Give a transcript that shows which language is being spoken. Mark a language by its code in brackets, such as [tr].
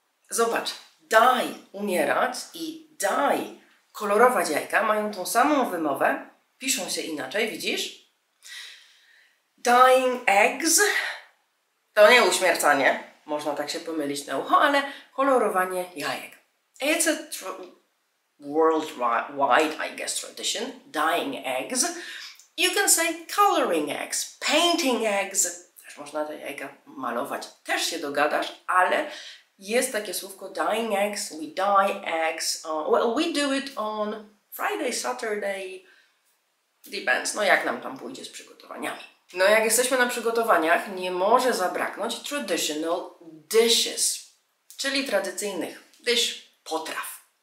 [pl] Zobacz, die, umierać i die, kolorować jajka, mają tą samą wymowę, piszą się inaczej, widzisz? Dying eggs to nie uśmiercanie, można tak się pomylić na ucho, ale kolorowanie jajek. [en] It's a worldwide, I guess, tradition, dying eggs. You can say coloring eggs, painting eggs. [pl] Też można te jajka malować, też się dogadasz, ale jest takie słówko dying eggs, [en] we dye eggs. Well, we do it on Friday, Saturday, depends, [pl] no jak nam tam pójdzie z przygotowaniami. No jak jesteśmy na przygotowaniach, nie może zabraknąć [en] traditional dishes, [pl] czyli tradycyjnych dish, potraw.